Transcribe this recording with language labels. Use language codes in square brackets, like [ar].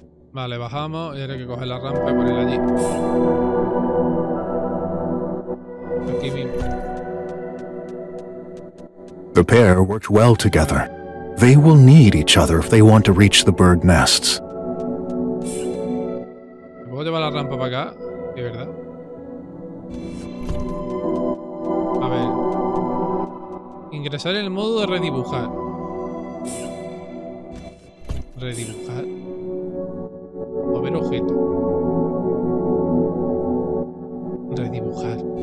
[es] Vale, bajamos y ahora hay que coger la rampa y ponerla allí. Aquí mismo. [en] The pair worked well together. They will need each other if they want to reach the bird nests. [es] ¿Me puedo llevar la rampa para acá? De verdad. ingresar en el modo de redibujar. Redibujar. Mover objeto. Redibujar.